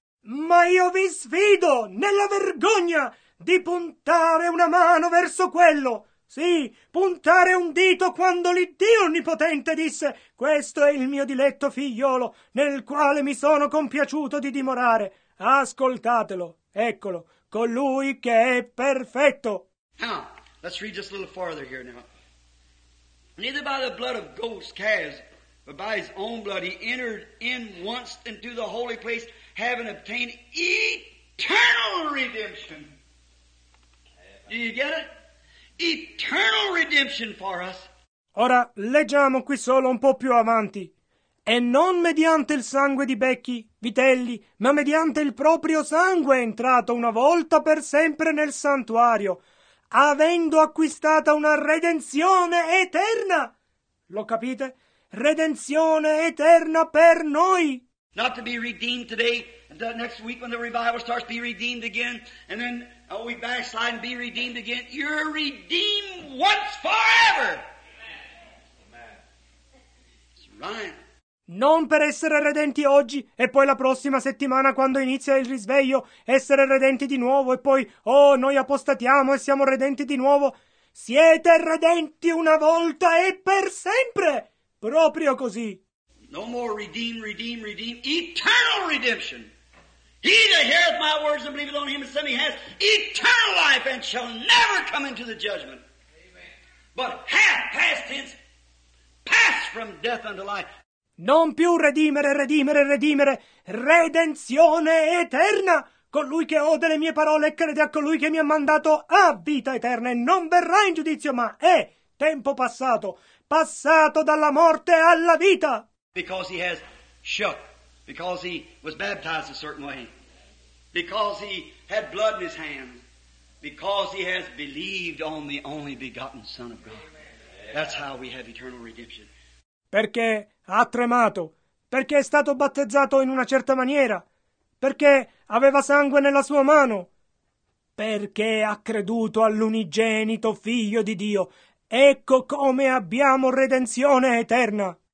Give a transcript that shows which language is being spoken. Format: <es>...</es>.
<it>Ma io vi sfido nella vergogna di puntare una mano verso quello. Sì, puntare un dito quando l'Iddio Onnipotente disse: questo è il mio diletto figliolo nel quale mi sono compiaciuto di dimorare. Ascoltatelo. Eccolo, colui che è perfetto.</it> <en>Now, let's read just a little farther here now. Neither by the blood of goats, calves, but by his own blood, he entered in once into the holy place, having obtained eternal redemption. Do you get it? Eternal redemption for us.</en> <it>Ora, leggiamo qui solo un po' più avanti. E non mediante il sangue di becchi, vitelli, ma mediante il proprio sangue è entrato una volta per sempre nel santuario, avendo acquistata una redenzione eterna. Lo capite? Redenzione eterna per noi.</it> <en>Not to be redeemed today, the next week when the revival starts, be redeemed again, and then we backslide and be redeemed again. You're redeemed once forever. Amen. It's right.</en> <it>Non per essere redenti oggi e poi la prossima settimana quando inizia il risveglio essere redenti di nuovo e poi oh noi apostatiamo e siamo redenti di nuovo. Siete redenti una volta e per sempre. Proprio così.</it> <en>No more redeem, redeem, redeem. Eternal redemption. He that heareth my words and believeth on him and sent me has eternal life and shall never come into the judgment. Amen. But hath, past tense, passed from death unto life.</en> <it>Non più redimere, redimere, redimere. Redenzione eterna. Colui che ode le mie parole e crede a colui che mi ha mandato ha vita eterna e non verrà in giudizio, ma è tempo passato. Passato dalla morte alla vita.</it> <en>Because he has shook. Because he was baptized a certain way. Because he had blood in his hands. Because he has believed on the only begotten Son of God. That's how we have eternal redemption.</en> <it>Perché ha tremato. Perché è stato battezzato in una certa maniera. Perché aveva sangue nella sua mano. Perché ha creduto all'unigenito Figlio di Dio. Ecco come abbiamo redenzione eterna.</it>